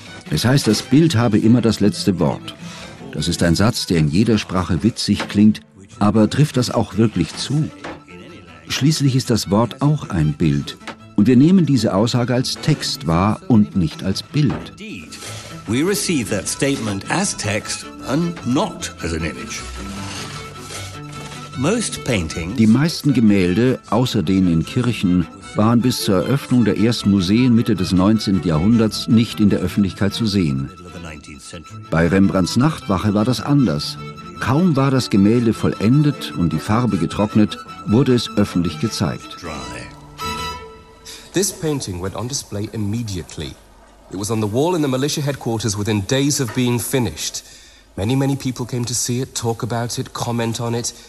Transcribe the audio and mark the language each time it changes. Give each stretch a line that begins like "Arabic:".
German: Es heißt, das Bild habe immer das letzte Wort. Das ist ein Satz, der in jeder Sprache witzig klingt, aber trifft das auch wirklich zu? Schließlich ist das Wort auch ein Bild. Und wir nehmen diese Aussage als Text wahr und nicht als Bild.
English: We receive that statement as text and not as an image.
German: Die meisten Gemälde, außer denen in Kirchen, waren bis zur Eröffnung der ersten Museen Mitte des 19. Jahrhunderts nicht in der Öffentlichkeit zu sehen. Bei Rembrandts Nachtwache war das anders. Kaum war das Gemälde vollendet und die Farbe getrocknet, wurde es öffentlich gezeigt.
English: This painting went on display immediately. It was on the wall in the militia headquarters within days of being finished. Many, many people came to see it, talk about it, comment on it.